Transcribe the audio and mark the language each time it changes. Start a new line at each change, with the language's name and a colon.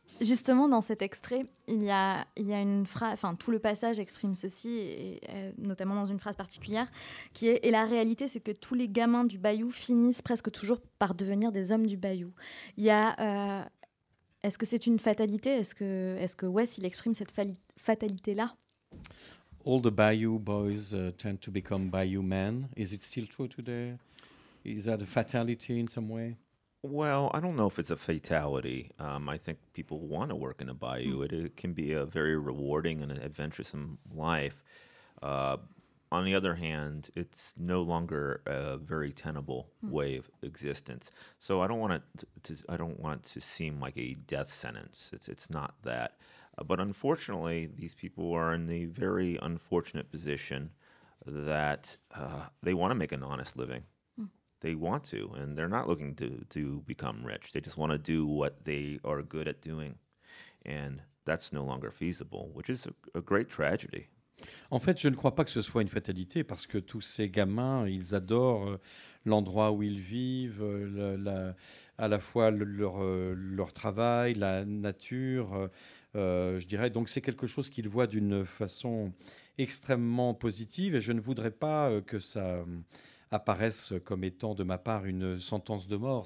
French: Justement, dans cet extrait, il y a une phrase, enfin tout le passage exprime ceci, et notamment dans une phrase particulière, qui est « Et la réalité, c'est que tous les gamins du bayou finissent presque toujours par devenir des hommes du bayou. » Est-ce que c'est une fatalité ? Est-ce que Wes, il exprime cette fatalité-là ?
English: All the bayou boys tend to become bayou men. Is it still true today ? Is that a fatality in some way ? Well, I don't know if it's a fatality. I think people want to work in a bayou. It can be a very rewarding and an adventuresome life. On the other hand, it's no longer a very tenable way of existence. So I don't want it to seem like a death sentence. It's not that. But unfortunately, these people are in the very unfortunate position that they want to make an honest living. They want to, and they're not looking to become rich. They just want to do what they are good at doing. And that's no longer feasible, which is a great tragedy.
French: En fait, je ne crois pas que ce soit une fatalité, parce que tous ces gamins, ils adorent l'endroit où ils vivent, leur travail, la nature, je dirais. Donc c'est quelque chose qu'ils voient d'une façon extrêmement positive, et je ne voudrais pas que ça apparaissent comme étant de ma part une sentence de mort.